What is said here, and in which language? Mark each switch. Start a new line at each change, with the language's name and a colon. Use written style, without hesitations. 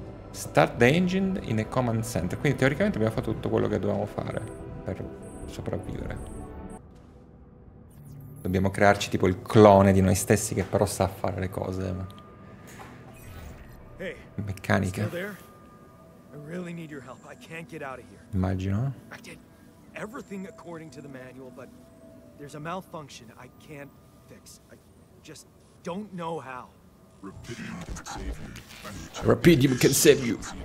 English: Start the engine in a command center.
Italian: Quindi teoricamente abbiamo fatto tutto quello che dovevamo fare per sopravvivere. Dobbiamo crearci tipo il clone di noi stessi che però sa fare le cose. Meccanica.
English: I really need your help. I can't get out of here.
Italian: Immagino.
English: I did everything according to the manual, but There's a malfunction I can't fix. I just don't know how. Rapidium can save you.